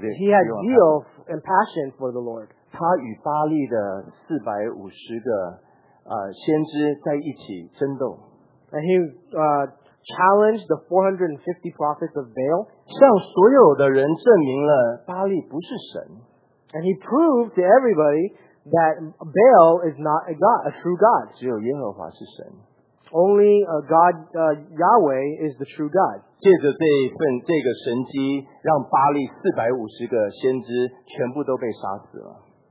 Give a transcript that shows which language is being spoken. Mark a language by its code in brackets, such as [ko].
[en] He had zeal and passion for the Lord. [zh] 他与巴利的450个先知在一起争斗。 [en] And he, challenged the 450 prophets of Baal. [zh] 向所有的人证明了巴利不是神。 [en] And he proved to everybody that Baal is not a God, a true God. [zh] 只有耶和华是神。 [en] Only a God, Yahweh is the true God. [zh] 借着这一份这个神迹让巴利450个先知全部都被杀死了。